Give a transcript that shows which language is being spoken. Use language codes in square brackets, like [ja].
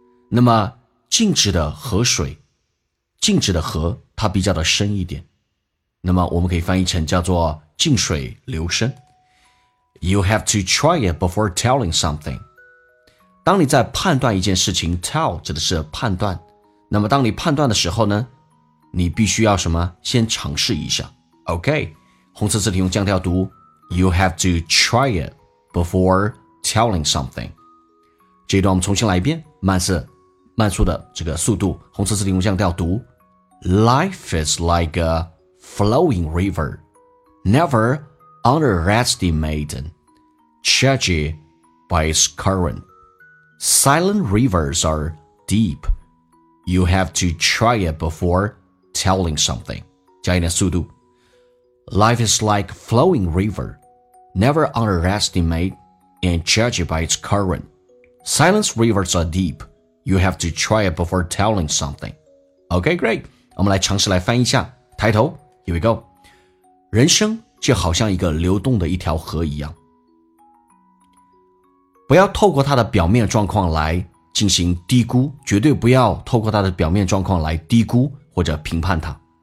[zh] 那么静止的河水，静止的河它比较的深一点，那么我们可以翻译成叫做静水流深。 [en] You have to try it before telling something。 [zh] 当你在判断一件事情， tell 指的是判断，那么当你判断的时候呢，你必须要什么，先尝试一下。 [en] OK， [zh] 红色字体用降调读 [en] You have to try it before telling something. [zh] 这一段我们重新来一遍，慢速的这个速度，红色字体用降调读 [en] Life is like a flowing river. Never underestimate and judge it by its current. Silent rivers are deep. You have to try it before telling something. [zh] 加一点速度 [en] Life is like flowing riverNever underestimate and judge it by its current. Silence rivers are deep. You have to try it before telling something. Okay, great. [zh] 我们来尝试来翻译一下。抬头， [en] here we go. [zh] 人生就好像一个流动的一条河一样，不要透过它的表面状况来进行低估，绝对不要透过它的表面状况来低估或者评判它。